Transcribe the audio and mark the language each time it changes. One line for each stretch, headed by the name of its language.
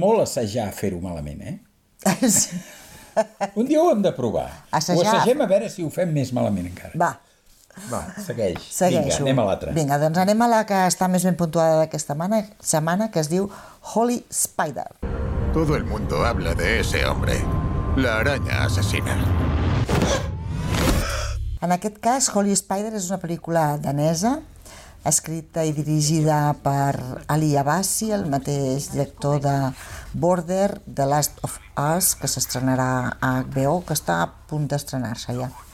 Catalan: Molt assajar fer-ho malament, eh? Sí. Un dia ho hem de provar. Assajar. Ho assagem a veure si ho fem més malament encara. Va, segueixo. Vinga, anem a l'altra. Vinga, doncs anem a la que està més ben puntuada d'aquesta setmana, que es diu Holy Spider.
Spanish: Todo el mundo habla de ese hombre, la araña asesina.
Catalan: En aquest cas, Holy Spider és una pel·lícula danesa, escrita i dirigida per Ali Abassi, el mateix director de Border, The Last of Us, que s'estrenarà a HBO, que està a punt d'estrenar-se ja.